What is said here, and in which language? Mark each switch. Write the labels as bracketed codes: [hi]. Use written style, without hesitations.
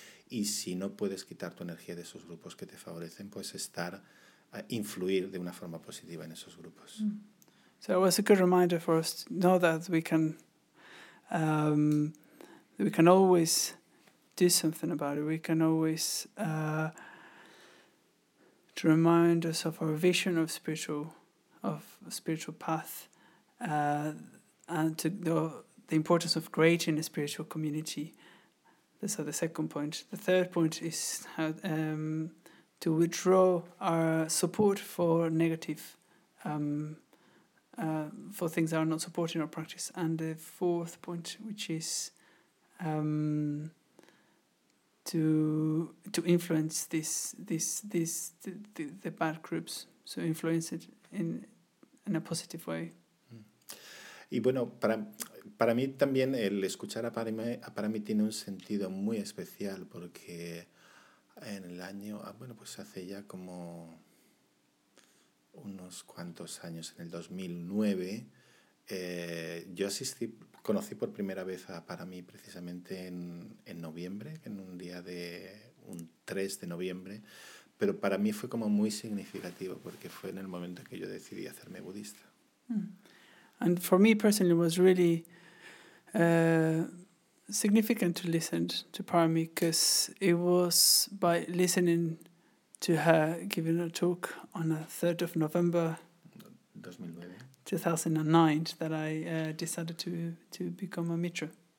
[es] Y si no puedes quitar tu energía de esos grupos que te favorecen, pues estar a influir de una forma positiva en esos grupos. [en] So it was a good reminder for us to know that we can always do something about it. We can always to remind us of our vision of spiritual path and to the importance of creating a spiritual community. So the second point. The third point is how to withdraw our support for negative, for things that are not supporting our practice. And the fourth point, which is to influence the bad groups. So influence it in a positive way. [es] Y bueno, para mí también el escuchar a Parami tiene un sentido muy especial porque en el año, bueno, pues hace ya como unos cuantos años, en el 2009, yo asistí conocí por primera vez para mí precisamente en noviembre, en un día de un 3 de noviembre, pero para mí fue como muy significativo porque fue en el momento que yo decidí hacerme budista. [en] And for me personally, it was really significant to listen to Parami, because it was by listening to her giving a talk on the 3rd of November 2009 that I decided to become a Mitra.